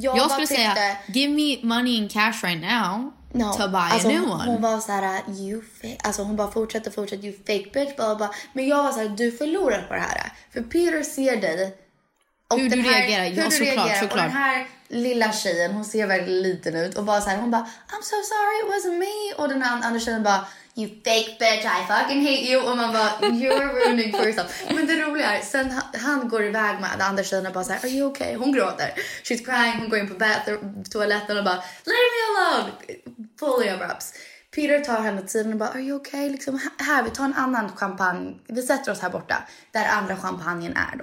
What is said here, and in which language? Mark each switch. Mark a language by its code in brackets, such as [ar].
[sv] jag skulle säga, [en] give me money in cash right now to buy [sv] alltså, [en] a new one. [sv] Hon var såhär, [en] you fake. [sv] Alltså hon bara fortsätter, [en] you fake bitch, blah, blah. [sv] Men jag var såhär, du förlorar på det här. För Peter ser dig Och hur du reagerar, ja, såklart. Och den här lilla tjejen, hon ser väldigt liten ut. Och bara så här, hon bara, [en] I'm so sorry, it wasn't me. [sv] Och den andra tjejen bara, [en] you fake bitch, I fucking hate you. [sv] Och man bara, [en] you're ruining for yourself. [sv] Men det roliga är, sen han går iväg med den andra tjejen och bara så här, [en] are you okay? [sv] Hon gråter. [en] She's crying, [sv] hon går in på toaletten och bara, [en] leave me alone. Fully abrupts. [sv] Peter tar henne till sidan och bara, [en] are you okay? [sv] Liksom, här, vi tar en annan champagne. Vi sätter oss här borta, där andra champagnen är då.